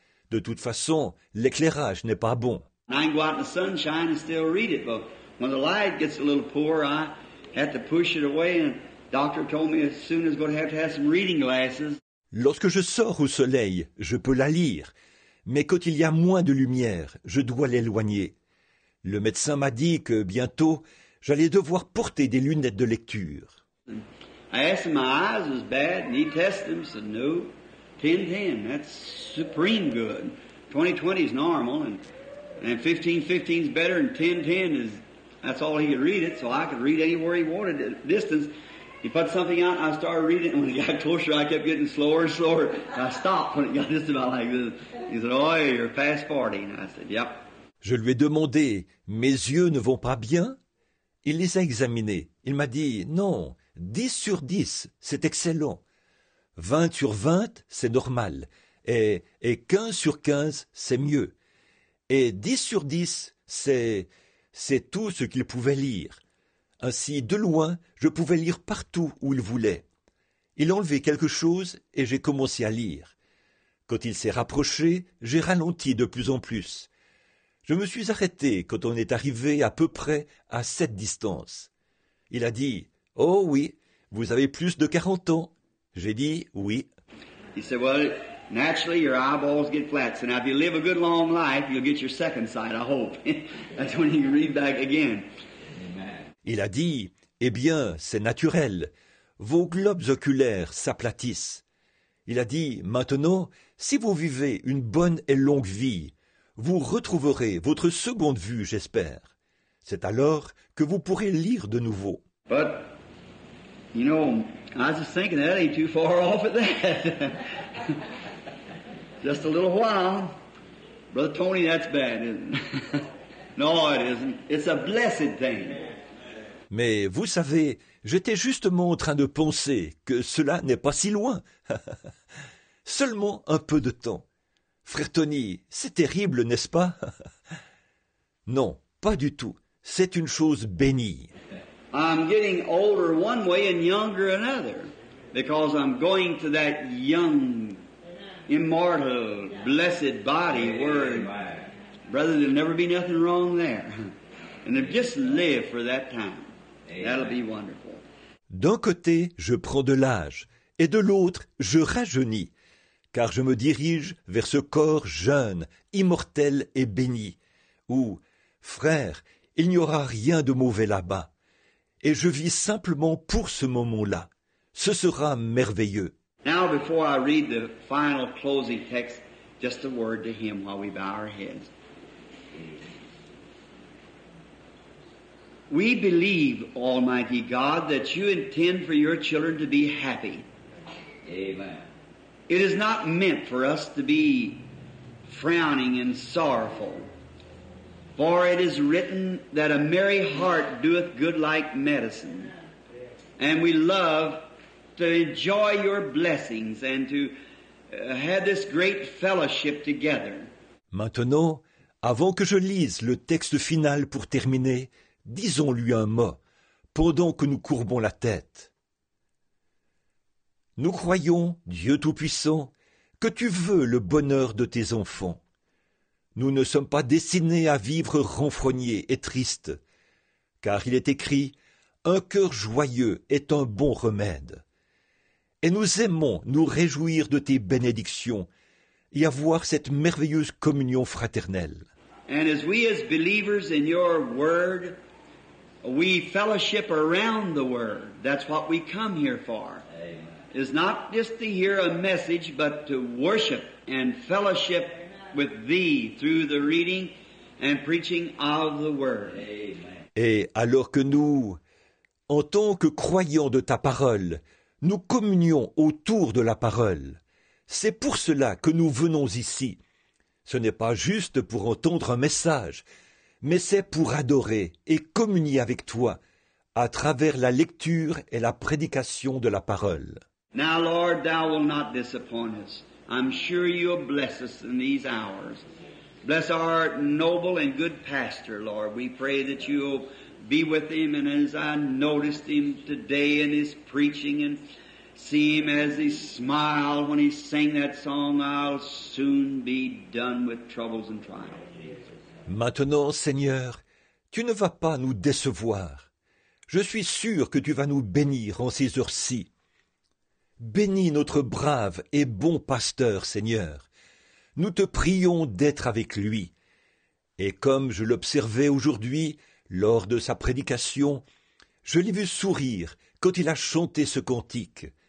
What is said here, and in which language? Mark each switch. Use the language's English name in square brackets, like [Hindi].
[French] De toute façon, l'éclairage n'est pas bon. [English] I can go out in the sunshine and still read it, but when the light gets a little poor, I have to push it away, and the doctor told me as soon as I'm going to have some reading glasses. [French] Lorsque je sors au soleil, je peux la lire, mais quand il y a moins de lumière, je dois l'éloigner. Le médecin m'a dit que bientôt, j'allais devoir porter des lunettes de lecture. [English] I asked him, my eyes was bad, and he tested them, said, no, 10-10, that's supreme good. 20-20 is normal, and 15-15 is better, and 10-10 is, that's all he could read it, so I could read anywhere he wanted at distance. He put something out, and I started reading it, and when it got closer, I kept getting slower and slower. I stopped when it got just about like this. He said, oh, you're past 40, and I said, yep. [French] Je lui ai demandé, mes yeux ne vont pas bien? Il les a examinés. Il m'a dit, non. 10 sur 10, c'est excellent. 20 sur 20, c'est normal. Et 15 sur 15, c'est mieux. Et 10 sur 10, c'est tout ce qu'il pouvait lire. Ainsi, de loin, je pouvais lire partout où il voulait. Il enlevait quelque chose et j'ai commencé à lire. Quand il s'est rapproché, j'ai ralenti de plus en plus. Je me suis arrêté quand on est arrivé à peu près à cette distance. Il a dit... « Oh oui, vous avez plus de 40 ans. » J'ai dit « Oui. » [English] He said, « Well, naturally, your eyeballs get flat. So now, if you live a good long life, you'll get your second sight, I hope. That's when you read back again. » [French] Il a dit « Eh bien, c'est naturel. Vos globes oculaires s'aplatissent. » Il a dit « Maintenant, si vous vivez une bonne et longue vie, vous retrouverez votre seconde vue, j'espère. C'est alors que vous pourrez lire de nouveau. » [English] But, you know, I was just thinking that ain't too far off at that. Just a little while. Brother Tony, that's bad, isn't it? No, it isn't. It's a blessed thing. [French] Mais vous savez, j'étais justement en train de penser que cela n'est pas si loin. Seulement un peu de temps. Frère Tony, c'est terrible, n'est-ce pas? Non, pas du tout. C'est une chose bénie. [English] I'm getting older one way and younger another, because I'm going to that young, immortal, blessed body where brother, there'll never be nothing wrong there. And if just live for that time, that'll be wonderful. [French] D'un côté, je prends de l'âge, et de l'autre, je rajeunis, car je me dirige vers ce corps jeune, immortel et béni, ou « Frère, il n'y aura rien de mauvais là-bas, et je vis simplement pour ce moment-là. Ce sera merveilleux. » [English] Now, before I read the final closing text, just a word to him while we bow our heads. We believe, Almighty God, that you intend for your children to be happy. Amen. It is not meant for us to be frowning and sorrowful, for it is written that a merry heart doeth good like medicine, and we love to enjoy your blessings and to have this great fellowship together. [French] Maintenant, avant que je lise le texte final pour terminer, disons-lui un mot, pendant que nous courbons la tête. Nous croyons, Dieu Tout-Puissant, que tu veux le bonheur de tes enfants. Nous ne sommes pas destinés à vivre renfrognés et tristes, car il est écrit « Un cœur joyeux est un bon remède ». Et nous aimons nous réjouir de tes bénédictions et avoir cette merveilleuse communion fraternelle. [English] And as we as believers in your word, we fellowship around the word. That's what we come here for. It's not just to hear a message, but to worship and fellowship with thee through the reading and preaching of the word. Amen. [French] Et alors que nous, en tant que croyants de ta parole, nous communions autour de la parole. C'est pour cela que nous venons ici. Ce n'est pas juste pour entendre un message, mais c'est pour adorer et communier avec toi à travers la lecture et la prédication de la parole. [English] Now, Lord, thou wilt not disappoint us. I'm sure you'll bless us in these hours. Bless our noble and good pastor, Lord. We pray that you'll be with him, and as I noticed him today in his preaching and see him as he smiled when he sang that song, I'll soon be done with troubles and trials. [French] Maintenant, Seigneur, tu ne vas pas nous décevoir. Je suis sûr que tu vas nous bénir en ces heures-ci. Bénis notre brave et bon pasteur, Seigneur. Nous te prions d'être avec lui. Et comme je l'observais aujourd'hui, lors de sa prédication, je l'ai vu sourire quand il a chanté ce cantique.